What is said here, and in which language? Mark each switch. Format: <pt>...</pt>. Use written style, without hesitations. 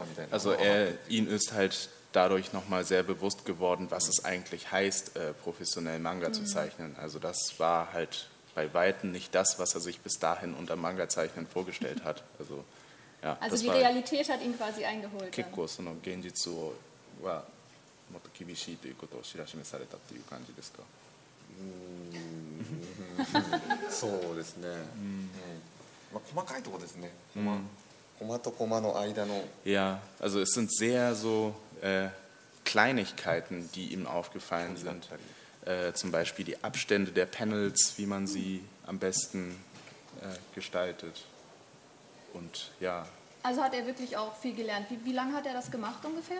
<de>Also ihm ist halt dadurch nochmal sehr bewusst geworden, was es eigentlich heißt, professionell Manga zu zeichnen. Also das war halt bei Weitem nicht das, was er sich bis dahin unter Manga-Zeichnen vorgestellt hat. Also, ja, also das die war Realität hat ihn quasi eingeholt.</de> <ja>結構その現実をはもっと厳しいということを知らしめされたっていう感じですか。そうですね。まあ細かいところですね。 Komma to komma no aida no.</ja> <de>Ja, also es sind sehr so Kleinigkeiten, die ihm aufgefallen sind. Zum Beispiel die Abstände der Panels, wie man sie am besten gestaltet. Und ja. Also hat er wirklich auch viel gelernt. Wie lange hat er das gemacht ungefähr?</de>